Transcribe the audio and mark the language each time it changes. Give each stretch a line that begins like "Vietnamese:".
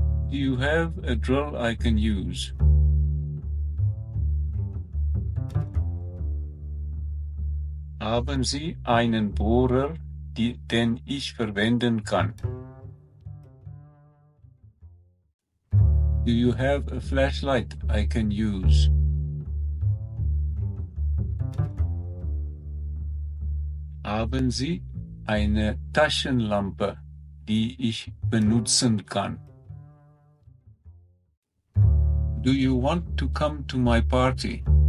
English: Do you have a drill I can use?
German: Haben Sie einen Bohrer, den ich verwenden kann?
English: Do you have a flashlight I can use?
German: Haben Sie eine Taschenlampe, die ich benutzen kann?
English: Do you want to come to my party?